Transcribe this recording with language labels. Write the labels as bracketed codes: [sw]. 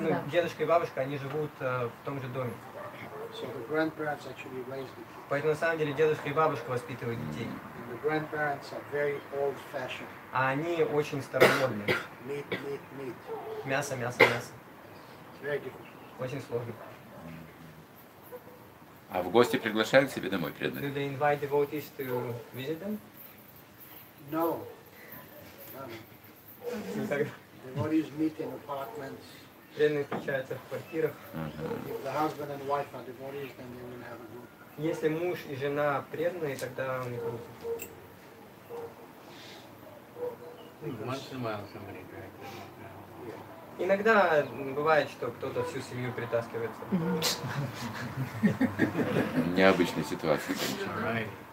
[ru] Дедушка и бабушка, они живут в том же доме. [en] So the grandparents actually raise the kids. [ru] Поэтому на самом деле дедушка и бабушка воспитывают детей. [en] And the grandparents are very old-fashioned. [ru] А они очень старомодные. [en] Meat, meat, meat. [ru] Мясо, мясо, мясо. [en] It's very difficult. [ru] Очень сложно. А в гости приглашают себе домой преданные? [en] Do they invite devotees to visit them? No. Devotees meet in apartments. [ru] Преданные встречаются в квартирах. [en] If the husband and wife are devotees, then they will have a group. [ru] Если муж и жена преданные, тогда у них будет. [en] Once in a while, somebody drags. [ru] Иногда бывает, что кто-то всю семью притаскивается. Необычная ситуация, конечно.